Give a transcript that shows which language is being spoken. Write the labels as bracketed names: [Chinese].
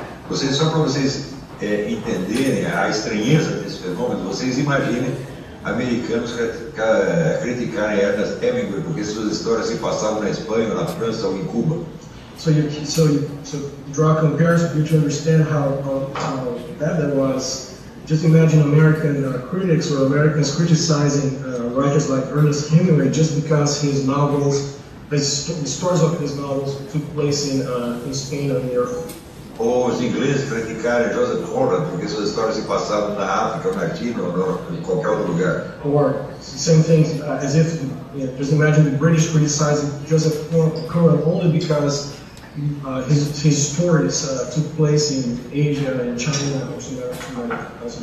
[Portuguese] Vocês, só para vocês entenderem a estranheza desse fenômeno, vocês imaginem americanos criticarem Ernest Hemingway porque suas histórias se passavam na Espanha, na França ou em Cuba. [English] So draw a comparison to understand how bad that was. Just imagine American critics or Americans criticizing writers like Ernest Hemingway just because his novels, the stories of his novels took place in Spain or in Europe. [Portuguese] Ou os ingleses criticarem Joseph Conrad porque suas histórias se passavam na África, na China ou em qualquer outro lugar. [English] Or same thing as if, you know, just imagine the British criticizing Joseph Conrad only because his stories took place in Asia and China or